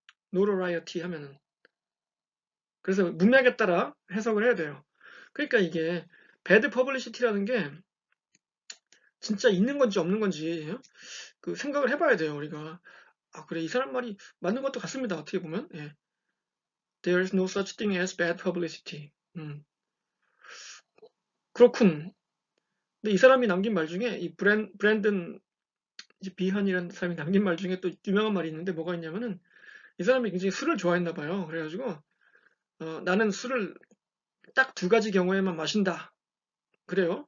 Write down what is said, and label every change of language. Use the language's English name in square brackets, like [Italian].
[Korean] 노로라이어티 하면은. 그래서 문맥에 따라 해석을 해야 돼요. 그러니까 이게 배드 퍼블리시티라는 게 진짜 있는 건지 없는 건지 그 생각을 해봐야 돼요, 우리가. 아, 그래, 이 사람 말이 맞는 것도 같습니다, 어떻게 보면. 예. [English] There is no such thing as bad publicity. [Korean] 그렇군. 근데 이 사람이 남긴 말 중에 이 브랜든 비헌이라는 사람이 남긴 말 중에 또 유명한 말이 있는데 뭐가 있냐면은 이 사람이 굉장히 술을 좋아했나 봐요. 그래가지고 나는 술을 딱두 가지 경우에만 마신다. 그래요?